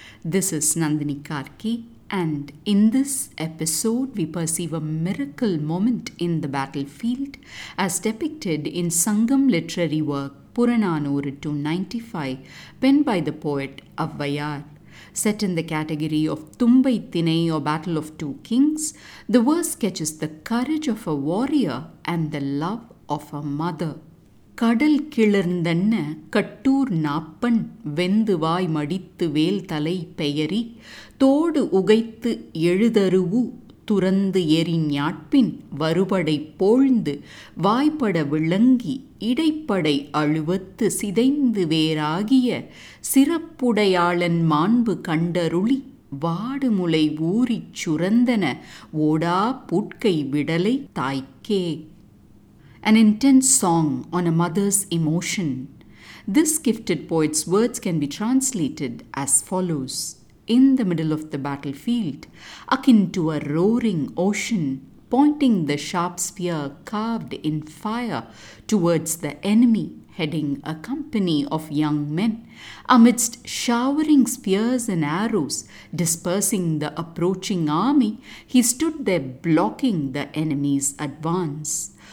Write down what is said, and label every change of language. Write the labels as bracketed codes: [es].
[en] This is Nandini Karki, and in this episode we perceive a miracle moment in the battlefield as depicted in Sangam literary work Puranaanooru 295 penned by the poet Avvaiyaar. Set in the category of Thumbai Thinai or Battle of Two Kings, the verse sketches the courage of a warrior and the love of a mother. [ta] கடல் கிளர்ந்தன்ன கட்டூர் நாப்பன் வெந்து வாய் மடித்து வேல் தலை பெயரி தோடு உகைத்து எழுதருவு துறந்து எரி ஞாட்பின் வருபடை போழ்ந்து வாய்ப்பட விளங்கி இடைப்படை அழுவத்து சிதைந்து வேறாகிய சிறப்புடையாளன் மாண்பு கண்டருளி வாடுமுலை ஊறிச் சுரந்தன ஓடா புட்கை விடலை தாய்க்கே. [en] An intense song on a mother's emotion. This gifted poet's words can be translated as follows. In the middle of the battlefield, akin to a roaring ocean, pointing the sharp spear carved in fire towards the enemy, heading a company of young men, amidst showering spears and arrows, dispersing the approaching army, he stood there blocking the enemy's advance.